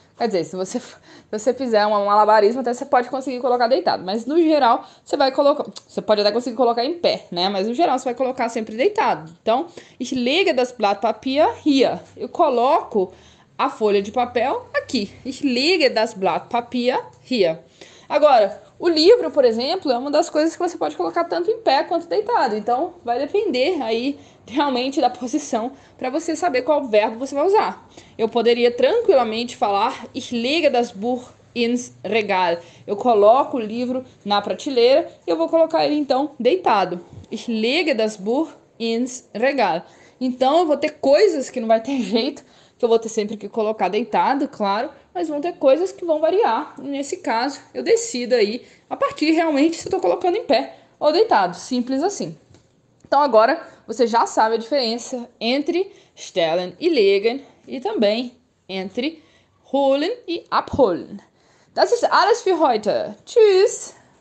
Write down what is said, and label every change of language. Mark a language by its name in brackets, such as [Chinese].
[Portuguese] Quer dizer, se você fizer um malabarismo, até você pode conseguir colocar deitado. Mas no geral, você vai colocar. Você pode até conseguir colocar em pé, né? Mas no geral, você vai colocar sempre deitado. Então, [German] ich lege das Blatt Papier hier. [Portuguese] Eu coloco a folha de papel aqui. [German] Ich lege das Blatt Papier hier. [Portuguese] Agora, o livro, por exemplo, é uma das coisas que você pode colocar tanto em pé quanto deitado. Então, vai depender aí realmente da posição para você saber qual verbo você vai usar. Eu poderia tranquilamente falar [German] Ich lege das Buch ins Regal. [Portuguese] Eu coloco o livro na prateleira e eu vou colocar ele então deitado. [German] Ich lege das Buch ins Regal. [Portuguese] Então, eu vou ter coisas que não vai ter jeito, que eu vou ter sempre que colocar deitado, claro. Mas vão ter coisas que vão variar. Nesse caso, eu decido aí a partir realmente se eu tô colocando em pé ou deitado. Simples assim. Então agora você já sabe a diferença entre stellen e legen e também entre holen e abholen. [German] Das ist alles für heute. Tschüss!